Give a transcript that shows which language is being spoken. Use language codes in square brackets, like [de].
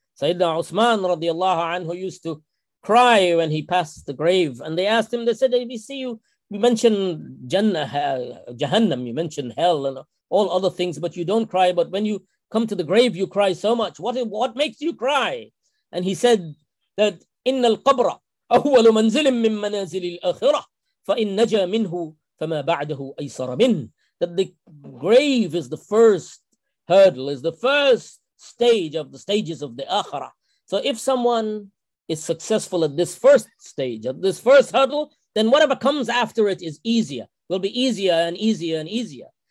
[en] Sayyidina Uthman radiallahu anhu used to cry when he passed the grave, and they asked him, they said, hey, we see you mentioned Jannah, Jahannam, you mentioned hell and all other things, but you don't cry, but when you come to the grave you cry so much, what makes you cry? And he said that [ar] إن القبر أول منزل من منازل الآخرة فإن نجا منه فما بعده أيسر منه. [en] That the grave is the first hurdle, is the first stage of the stages of the Akhirah. So if someone is successful at this first stage, at this first hurdle, then whatever comes after it is easier, will be easier and easier and easier.